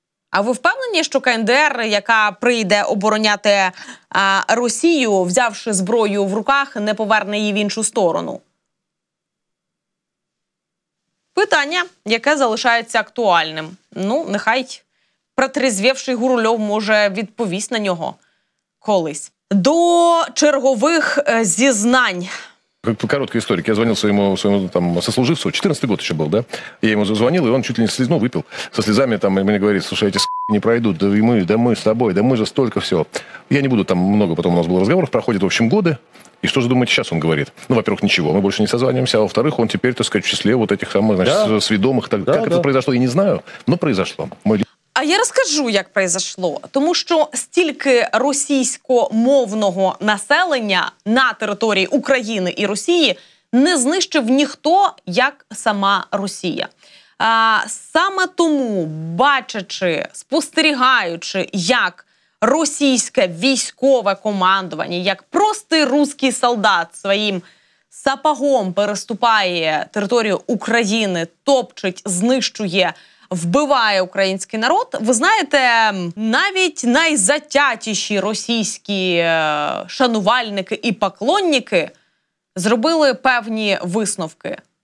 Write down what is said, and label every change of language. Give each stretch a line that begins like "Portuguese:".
Ukrainian: А ви впевнені, що КНДР, яка прийде обороняти Росію, взявши зброю в руках, не поверне її в іншу сторону? Питання, яке залишається актуальним. Ну, нехай протрізвівший Гурльов може відповість на нього колись. До чергових зізнань.
Russian: Короткая история. Я звонил своему там сослуживцу, 14-й год еще был, да? Я ему зазвонил, и он чуть ли не слезну выпил. Со слезами там и мне говорит, слушай, эти с**ки не пройдут, да мы с тобой, да мы же столько всего. Я не буду там много, потом у нас было разговоров, проходят, в общем, годы. И что же думаете сейчас, он говорит? Ну, во-первых, ничего, мы больше не созваниваемся, а во-вторых, он теперь, так сказать, в числе вот этих самых, значит, да. Сведомых. Так, да, как да. Это произошло, я не знаю, но произошло.
Ukrainian: А я розкажу, як произошло. Тому що стільки російськомовного населення на території України і Росії не знищив ніхто, як сама Росія. Саме тому, бачачи, спостерігаючи, як російське військове командування, як простий русський солдат своїм сапогом переступає територію України, топчить, знищує, вбиває український народ, ви знаєте, навіть найзатятіші російські шанувальники і поклонники зробили певні висновки.